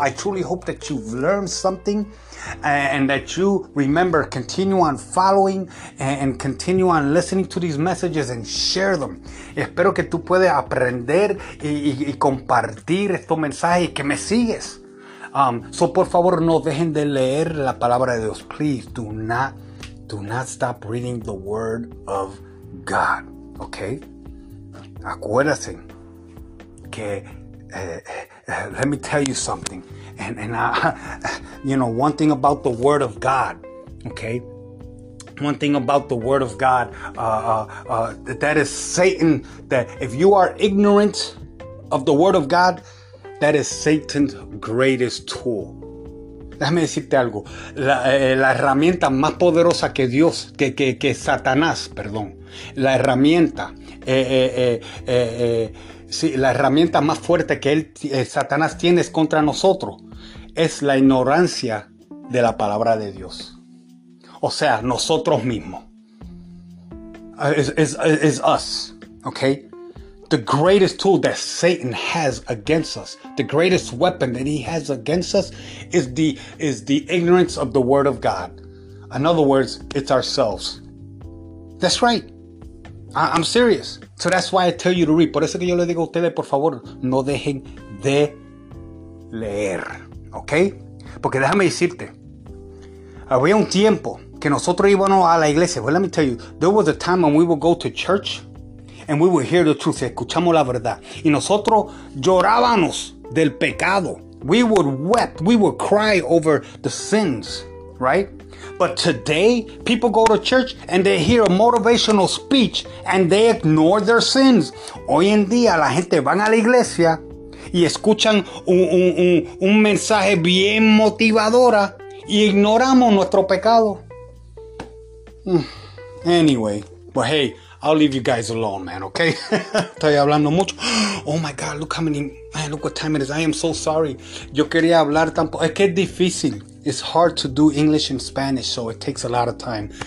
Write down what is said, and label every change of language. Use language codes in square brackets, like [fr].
[en] I truly hope that you've learned something and that you remember, continue on following and continue on listening to these messages and share them. [es] Espero que tú puedas aprender y compartir estos mensajes y que me sigues. So por favor, no dejen de leer la palabra de Dios. [en] Please do not stop reading the word of God. Okay? [es] Acuérdense. [en] Que, let me tell you something, and I, you know, one thing about the word of God, okay, one thing about the word of God, that is Satan, that if you are ignorant of the word of God, that is Satan's greatest tool. [es] Déjame decirte algo. La herramienta más poderosa que Dios, que Satanás, perdón. La herramienta, sí, la herramienta más fuerte que Satanás tiene es contra nosotros es la ignorancia de la palabra de Dios. O sea, nosotros mismos. [en] It's us, okay? The greatest tool that Satan has against us, the greatest weapon that he has against us is the ignorance of the word of God. In other words, it's ourselves. That's right. I'm serious. So that's why I tell you to read. [es] Por eso que yo le digo a ustedes, por favor, no dejen de leer. ¿Ok? Porque déjame decirte. Había un tiempo que nosotros íbamos a la iglesia. [en] Well, let me tell you. There was a time when we would go to church and we would hear the truth. [es] Escuchamos la verdad. Y nosotros llorábamos del pecado. [en] We would wept. We would cry over the sins. Right? But today, people go to church and they hear a motivational speech and they ignore their sins. [es] Hoy en día, la gente van a la iglesia y escuchan un mensaje bien motivadora y ignoramos nuestro pecado. [en] Anyway, but hey, I'll leave you guys alone, man, okay? [es] Estoy hablando mucho. [en] Oh my God, look how many, man, look what time it is. I am so sorry. [es] Yo quería hablar tampoco. Es que es difícil. [en] It's hard to do English and Spanish, so it takes a lot of time.